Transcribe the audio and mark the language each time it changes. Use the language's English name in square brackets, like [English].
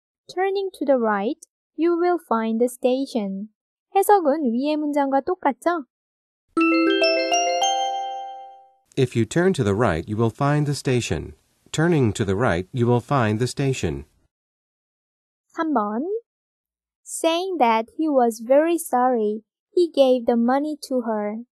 [English] Turning to the right, you will find the station. [Korean] 해석은 위의 문장과 똑같죠? [English] If you turn to the right, you will find the station. Turning to the right, you will find the station. [Korean] 3번. [English] Saying that he was very sorry, he gave the money to her.